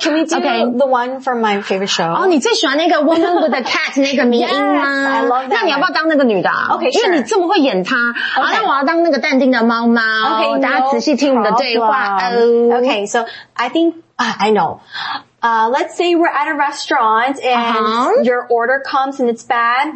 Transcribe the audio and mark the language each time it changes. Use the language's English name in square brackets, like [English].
[English] Can we do the one from my favorite show? [Chinese] 哦、oh, 你最喜欢那个 Woman with a Cat 那个名音吗？ [English] Yes, I love that. [Chinese] 那你要不要当那个女的、啊、 OK, 因为你这么会演她、 okay. 好，那我要当那个淡定的猫猫。 OK, 大家仔细听我们的对话、 [English] OK, so I think、I know. Let's say we're at a restaurant and、your order comes and it's bad.